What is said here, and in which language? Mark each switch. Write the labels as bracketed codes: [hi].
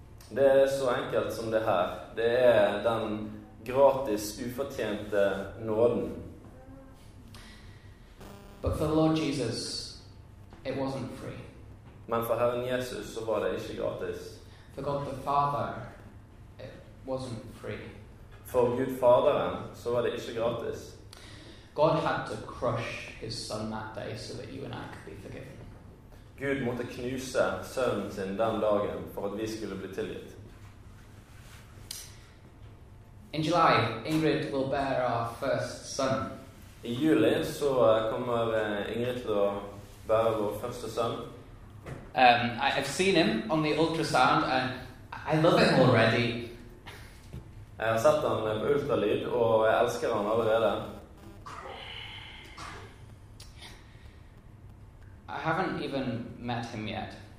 [no] Det er så enkelt som det her. Det er den gratis, ufortjente nåden. [en] But for the Lord Jesus, it wasn't free. [no] Men for Herren Jesus så var det ikke gratis. [en] For God the Father, it wasn't free. [no] For Gud Faderen så var det ikke gratis. [en] God had to crush his son that day so that you and I could be forgiven. [no] Gud måtte knuse sønnen sin den dagen for at vi skulle bli tilgitt. [en] In July, Ingrid will bear our first son. [no] I juli så kommer Ingrid til å bære vår første sønn. [en] I've seen him on the ultrasound and I love him already. [no] Jeg har sett han på ultralyd og jeg elsker han allerede. [en] I haven't even met him yet.